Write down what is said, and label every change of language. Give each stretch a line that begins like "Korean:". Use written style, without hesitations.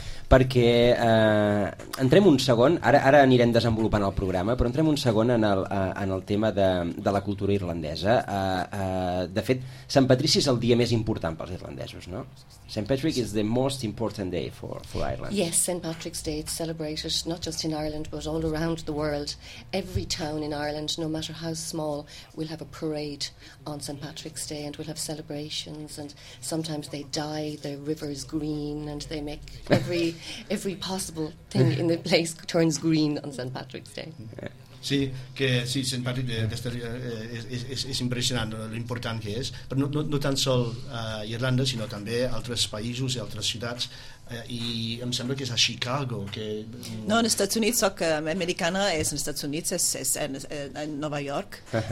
Catalan: Perquè entrem un segon, ara anirem desenvolupant el programa, però entrem un segon en el tema de la cultura irlandesa. De fet, Sant Patrici és el dia més important pels irlandesos, no?
English: St. Patrick is the most important day for Ireland. Yes, St. Patrick's Day is celebrated not just in Ireland, but all around the world. Every town in Ireland, no matter how small, will have a parade on St. Patrick's Day, and will have celebrations, and sometimes they dye the rivers green, and they make every possible thing in the place turns green on St. Patrick's Day.
Catalan: Sí, que sí, St. Patrick és impressionant l'important que és, però no tan sol Irlanda, sinó també altres països i altres ciutats, i em sembla que és a Chicago que... No, en Estats Units, soc americana, és en Estats Units, és a Nova York.